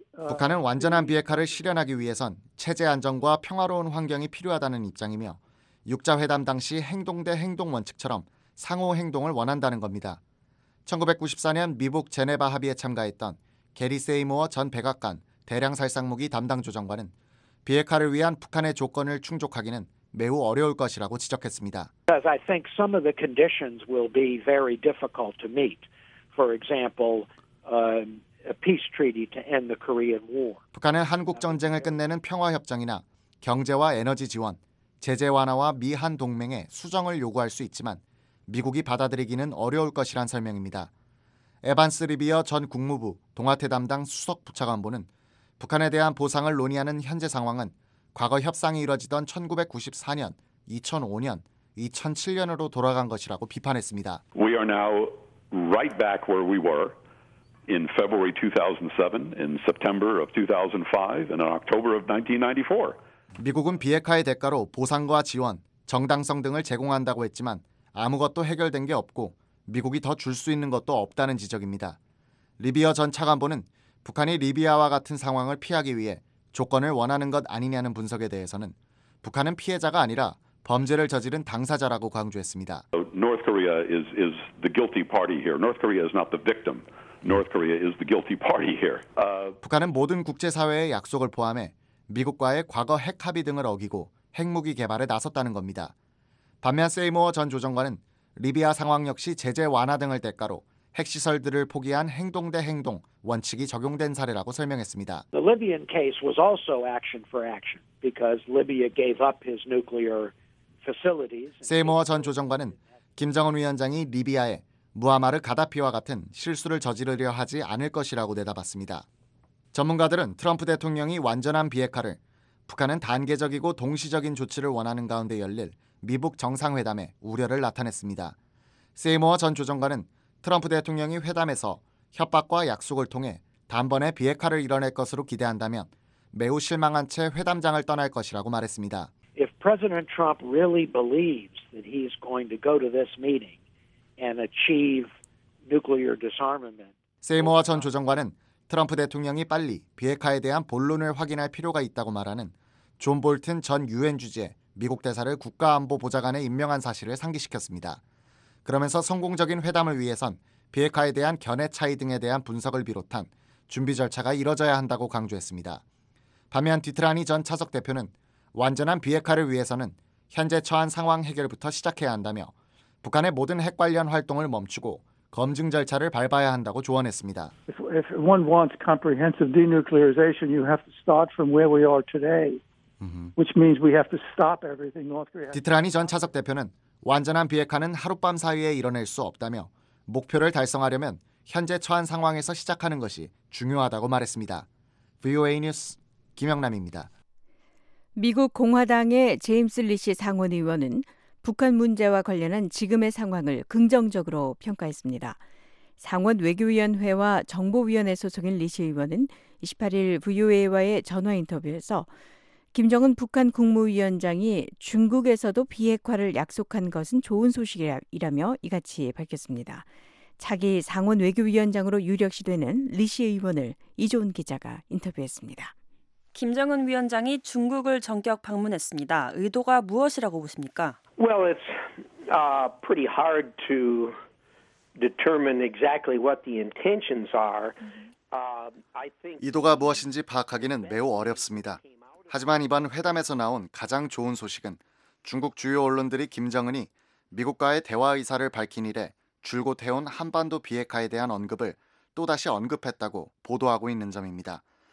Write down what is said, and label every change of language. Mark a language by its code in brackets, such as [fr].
[ko] 북한은 완전한 비핵화를 실현하기 위해선 체제 안정과 평화로운 환경이 필요하다는 입장이며 6자회담 당시 행동 대 행동 원칙처럼 상호 행동을 원한다는 겁니다. 1994년 미북 제네바 합의에 참가했던 게리 세이모어 전 백악관 대량 살상무기 담당 조정관은 비핵화를 위한 북한의 조건을 충족하기는 매우 어려울 것이라고 지적했습니다. [en] Because I think some of the conditions will be very difficult to meet. For example, a peace treaty to end the Korean War. [ko] 북한은 한국 전쟁을 끝내는 평화 협정이나 경제와 에너지 지원, 제재 완화와 미한 동맹의 수정을 요구할 수 있지만 미국이 받아들이기는 어려울 것이란 설명입니다. 에반스 리비어 전 국무부 동아태 담당 수석 부차관보는 북한에 대한 보상을 논의하는 현재 상황은 과거 협상이 이뤄지던 1994년, 2005년, 2007년으로 돌아간 것이라고 비판했습니다. [en] We are now right back where we were in February 2007, in September of 2005, and in October of 1994. [ko] 미국은 비핵화의 대가로 보상과 지원, 정당성 등을 제공한다고 했지만 아무것도 해결된 게 없고 미국이 더 줄 수 있는 것도 없다는 지적입니다. 리비어 전 차관보는 북한이 리비아와 같은 상황을 피하기 위해 조건을 원하는 것 아니냐는 분석에 대해서는 북한은 피해자가 아니라 범죄를 저지른 당사자라고 강조했습니다. [en] North Korea is the guilty party here. North Korea is not the victim. North Korea is the guilty party here. [ko] 북한은 모든 국제사회의 약속을 포함해 미국과의 과거 핵 합의 등을 어기고 핵무기 개발에 나섰다는 겁니다. 반면 세이모어 전 조정관은 리비아 상황 역시 제재 완화 등을 대가로 핵시설들을 포기한 행동 대 행동 원칙이 적용된 사례라고 설명했습니다. [en] The Libyan case was also action for action because Libya gave up his nuclear facilities. [ko] 세이모어 전 조정관은 김정은 위원장이 리비아에 무아마르 가다피와 같은 실수를 저지르려 하지 않을 것이라고 내다봤습니다. 전문가들은 트럼프 대통령이 완전한 비핵화를 북한은 단계적이고 동시적인 조치를 원하는 가운데 열릴 미북 정상회담에 우려를 나타냈습니다. 세이모어 전 조정관은 트럼프 대통령이 회담에서 협박과 약속을 통해 단번에 비핵화를 이뤄낼 것으로 기대한다면 매우 실망한 채 회담장을 떠날 것이라고 말했습니다. [en] If President Trump really believes that he's going to go to this meeting and achieve nuclear disarmament. [ko] 세이모어 전 조정관은 트럼프 대통령이 빨리 비핵화에 대한 본론을 확인할 필요가 있다고 말하는 존 볼튼 전 유엔 주재 미국 대사를 국가안보보좌관에 임명한 사실을 상기시켰습니다. 그러면서 성공적인 회담을 위해선 비핵화에 대한 견해 차이 등에 대한 분석을 비롯한 준비 절차가 이뤄져야 한다고 강조했습니다. 반면 디트라니 전 차석 대표는 완전한 비핵화를 위해서는 현재 처한 상황 해결부터 시작해야 한다며 북한의 모든 핵 관련 활동을 멈추고 검증 절차를 밟아야 한다고 조언했습니다. [en] If one wants comprehensive denuclearization, you have to start from where we are today, which means we have to stop everything North Korea. [ko] 디트라니 전 차석 대표는 완전한 비핵화는 하룻밤 사이에 이뤄낼 수 없다며 목표를 달성하려면 현재 처한 상황에서 시작하는 것이 중요하다고 말했습니다. VOA 뉴스 김영남입니다. 미국 공화당의 제임스 리시 상원의원은 북한 문제와 관련한 지금의 상황을 긍정적으로 평가했습니다. 상원 외교위원회와 정보위원회 소속인 리시 의원은 28일 VOA와의 전화 인터뷰에서 김정은 북한 국무위원장이 중국에서도 비핵화를 약속한 것은 좋은 소식이라며 이같이 밝혔습니다. 차기 상원 외교위원장으로 유력시되는 리시 의원을 이조은 기자가 인터뷰했습니다. 김정은 위원장이 중국을 전격 방문했습니다. 의도가 무엇이라고 보십니까? [en] Well, it's pretty hard to determine exactly what the intentions are. [ko] 의도가 무엇인지 파악하기는 매우 어렵습니다. 하지만 이번 회담에서 나온 가장 좋은 소식은 중국 주요 언론들이 김정은이 미국과의 대화 의사를 밝힌 이래 줄곧 해온 한반도 비핵화에 대한 언급을 또다시 언급했다고 보도하고 있는 점입니다.